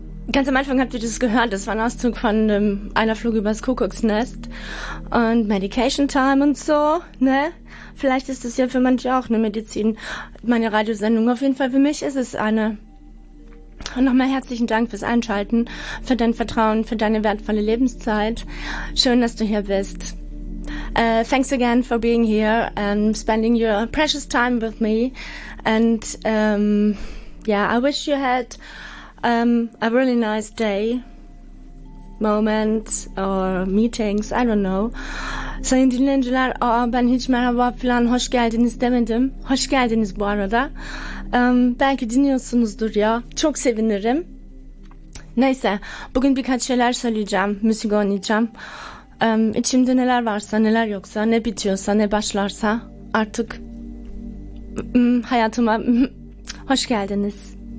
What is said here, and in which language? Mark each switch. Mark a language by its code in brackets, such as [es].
[de] ganz am Anfang habt ihr das gehört, das war ein Auszug von einer Flug übers Kuckucksnest und Medication Time und so, ne? Vielleicht ist das ja für manche auch eine Medizin, meine Radiosendung. Auf jeden Fall für mich ist es eine. Und nochmal herzlichen Dank fürs Einschalten, für dein Vertrauen, für deine wertvolle Lebenszeit. Schön, dass du hier bist. [en] Thanks again for being here and spending your precious time with me. And yeah, I wish you had a really nice day, moment, or meetings, I don't know. [tr] Sayın dinleyiciler, ben hiç merhaba falan, hoş geldiniz demedim. Hoş geldiniz bu arada. Belki dinliyorsunuzdur ya, çok sevinirim. Neyse, bugün birkaç şeyler söyleyeceğim, müzik oynayacağım. İçimde neler varsa, neler yoksa, ne bitiyorsa, ne başlarsa artık hayatıma hoş geldiniz.